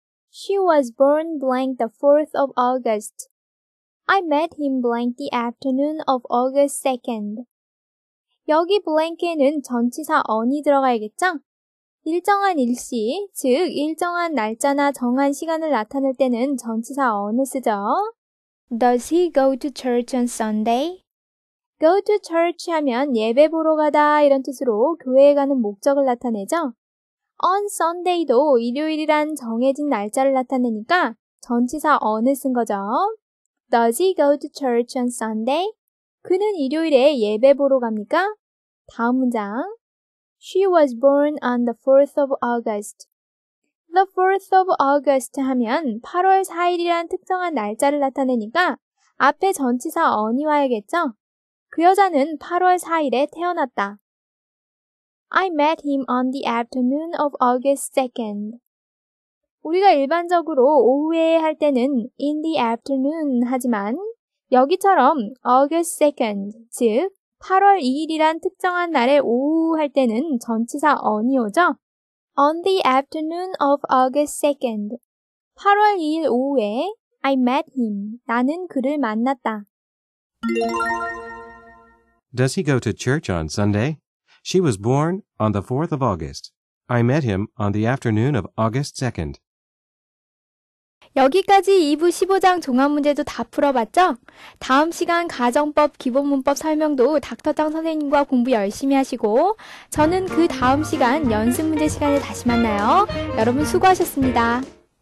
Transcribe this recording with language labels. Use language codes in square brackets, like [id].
[en] She was born blank the 4th of August. I met him blank the afternoon of August 2nd. [ko] 여기 blank에는 전치사 on이 들어가야겠죠? 일정한 일시, 즉 일정한 날짜나 정한 시간을 나타낼 때는 전치사 on을 쓰죠. [en] Does he go to church on Sunday? [ko] Go to church 하면 예배 보러 가다 이런 뜻으로 교회에 가는 목적을 나타내죠. On Sunday도 일요일이란 정해진 날짜를 나타내니까 전치사 on을 쓴 거죠. [en] Does he go to church on Sunday? [ko] 그는 일요일에 예배 보러 갑니까? 다음 문장. [en] She was born on the 4th of August. [ko] The 4th of August 하면 8월 4일이란 특정한 날짜를 나타내니까 앞에 전치사 on이 와야겠죠? 그 여자는 8월 4일에 태어났다. [en] I met him on the afternoon of August 2nd. [ko] 우리가 일반적으로 오후에 할 때는 in the afternoon 하지만 여기처럼 August 2nd, 즉 8월 2일이란 특정한 날에 오후 할 때는 전치사 on이 오죠? [en] On the afternoon of August 2nd. [ko] 8월 2일 오후에 [en] I met him. [ko] 나는 그를 만났다. [en] Does he go to church on Sunday? She was born on the 4th of August. I met him on the afternoon of August 2nd. [ko] 여기까지 2부 15장 종합 문제도 다 풀어봤죠? 다음 시간 가정법 기본 문법 설명도 닥터짱 선생님과 공부 열심히 하시고 저는 그 다음 시간 연습 문제 시간에 다시 만나요. 여러분 수고하셨습니다.